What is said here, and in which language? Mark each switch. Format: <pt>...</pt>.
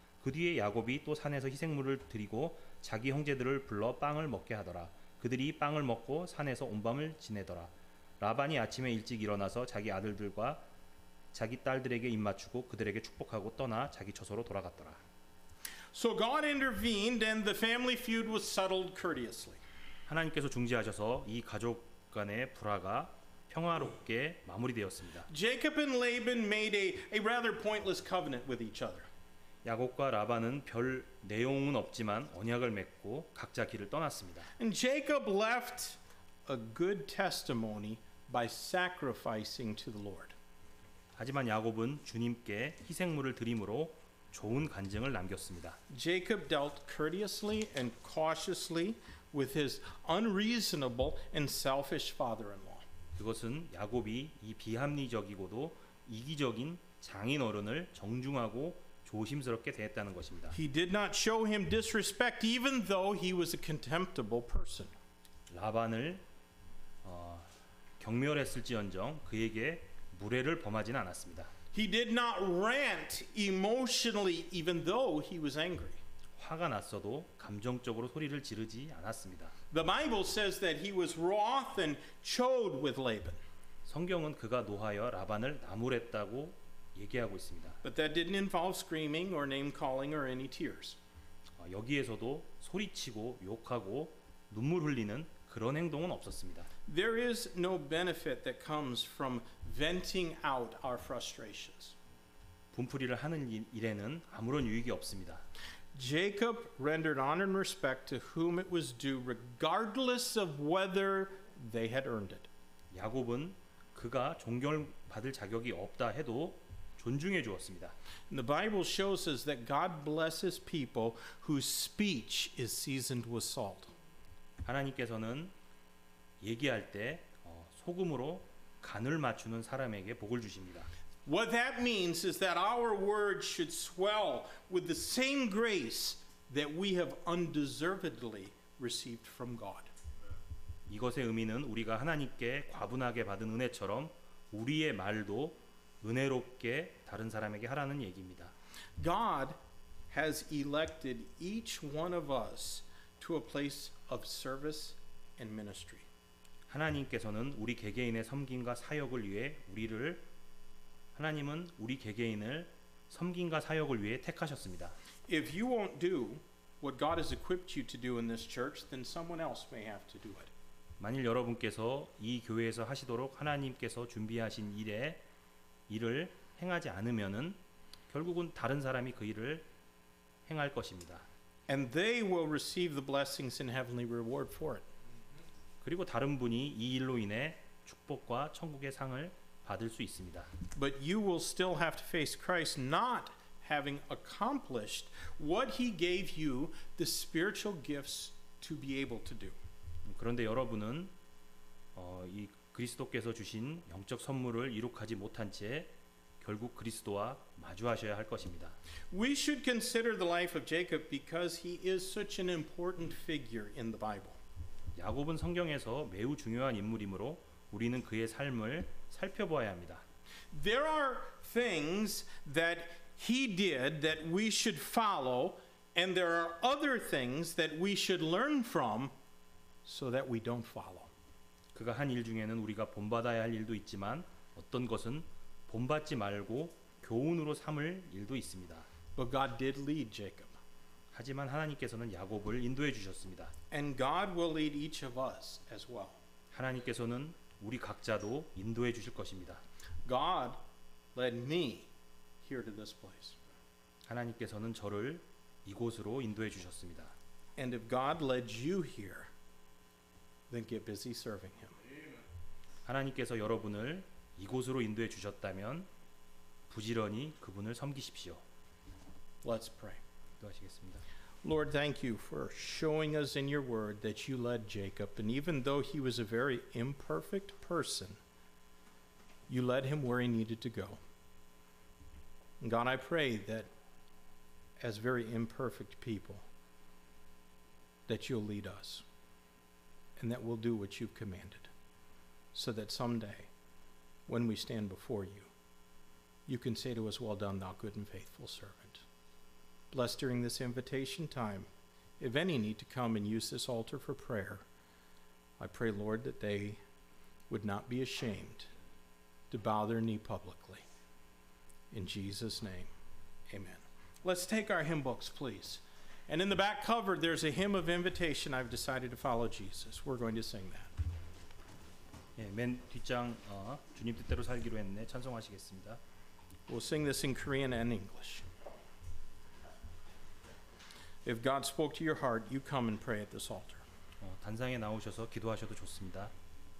<ko>그 뒤에 야곱이 또 산에서 희생물을 드리고 자기 형제들을 불러 빵을 먹게 하더라. 그들이 빵을 먹고 산에서 온 밤을 지내더라. 라반이 아침에 일찍 일어나서 자기 아들들과 자기 딸들에게 입 맞추고 그들에게 축복하고 떠나 자기 처소로 돌아갔더라.</ko> <en>So God intervened and the family feud was settled courteously.</en> <ko>하나님께서 중재하셔서 이 가족 간의 불화가 평화롭게 마무리되었습니다.</ko> <en>Jacob and Laban made a rather pointless covenant with each other.</en> <ko>야곱과 라반은 별 내용은 없지만 언약을 맺고 각자 길을 떠났습니다.</ko> <en>And Jacob left a good testimony by sacrificing to the Lord.</en> <ko>하지만 야곱은 주님께 희생물을 드림으로 좋은 간증을 남겼습니다.</ko> <en>Jacob dealt courteously and cautiously with his unreasonable and selfish father-in-law.</en> <ko>그것은 야곱이 이 비합리적이고도 이기적인 장인 어른을 정중하고 조심스럽게 대했다는 것입니다.</ko> <en>He did not show him disrespect even though he was a contemptible person.</en> <ko>라반을 경멸했을지언정 그에게 무례를 범하지는 않았습니다.</ko> <en>He did not rant emotionally even though he was angry.</en> <ko>화가 났어도 감정적으로 소리를 지르지 않았습니다.</ko> <en>The Bible says that he was wroth and chode with Laban.</en> <ko>성경은 그가 노하여 라반을 나무랬다고 얘기하고 있습니다.</ko> <en>But that didn't involve screaming or name calling or any tears.</en> <ko>여기에서도 소리치고 욕하고 눈물 흘리는 그런 행동은 없었습니다.</ko> <en>There is no benefit that comes from venting out our frustrations.</en> <ko>분풀이를 하는 일에는 아무런 유익이 없습니다.</ko> <en>Jacob rendered honor and respect to whom it was due regardless of whether they had earned it.</en> <ko>야곱은 그가 존경받을 자격이 없다 해도 존중해 주었습니다.</ko> <en>The Bible shows us that God blesses people whose speech is seasoned with salt.</en> <ko>하나님께서는 얘기할 때 소금으로 간을 맞추는 사람에게 복을 주십니다.</ko> <en>What that means is that our words should swell with the same grace that we have undeservedly received from God.</en> <ko>이것의 의미는 우리가 하나님께 과분하게 받은 은혜처럼 우리의 말도 은혜롭게 다른 사람에게 하라는 얘기입니다.</ko> <en>God has elected each one of us to a place of service and ministry.</en> <ko>하나님께서는 우리 개개인의 섬김과 사역을 위해 우리를 하나님은 우리 개개인을 섬김과 사역을 위해 택하셨습니다.</ko> <en>If you won't do what God has equipped you to do in this church, then someone else may have to do it.</en> <ko>만일 여러분께서 이 교회에서 하시도록 하나님께서 준비하신 일에 일을 행하지 않으면은 결국은 다른 사람이 그 일을 행할 것입니다.</ko> <en>And they will receive the blessings and heavenly reward for it.</en> <ko>그리고 다른 분이 이 일로 인해 축복과 천국의 상을 받을 수 있습니다.</ko> <en>But you will still have to face Christ not having accomplished what he gave you the spiritual gifts to be able to do.</en> <ko>그런데 여러분은 이 그리스도께서 주신 영적 선물을 이룩하지 못한 채 결국 그리스도와 마주하셔야 할 것입니다.</ko> <en>We should consider the life of Jacob because he is such an important figure in the Bible.</en> <ko>야곱은 성경에서 매우 중요한 인물이므로 우리는 그의 삶을 살펴봐야 합니다.</ko> <en>There are things that he did that we should follow and there are other things that we should learn from so that we don't follow.</en> <ko>그가 한 일 중에는 우리가 본받아야 할 일도 있지만 어떤 것은 본받지 말고 교훈으로 삼을 일도 있습니다.</ko> <en>But God did lead Jacob.</en> <ko>하지만 하나님께서는 야곱을 인도해 주셨습니다.</ko> <en>And God will lead each of us as well.</en> <ko>하나님께서는 우리 각자도 인도해 주실 것입니다.</ko> <en>God led me here to this place.</en> <ko>하나님께서는 저를 이곳으로 인도해 주셨습니다.</ko> <en>And if God led you here, then get busy serving him.</en> <ko>하나님께서 여러분을 이곳으로 인도해 주셨다면 부지런히 그분을 섬기십시오.</ko> <en>Let's pray.</en> <ko>기도하시겠습니다.</ko> <en>Lord, thank you for showing us in your word that you led Jacob, and even though he was a very imperfect person, you led him where he needed to go. And God, I pray that as very imperfect people, that you'll lead us, and that we'll do what you've commanded, so that someday, when we stand before you, you can say to us, well done, thou good and faithful servant. Bless during this invitation time, if any need to come and use this altar for prayer, I pray, Lord, that they would not be ashamed to bow their knee publicly. In Jesus' name, amen. Let's take our hymn books, please. And in the back cover, there's a hymn of invitation. I've decided to follow Jesus. We're going to sing that.</en> <ko>예, 맨 뒷장 주님 뜻대로 살기로 했네. 찬송하시겠습니다.</ko> <en>We'll sing this in Korean and English. If God spoke to your heart, you come and pray at this altar.</en> <ko>단상에 나오셔서 기도하셔도 좋습니다.</ko>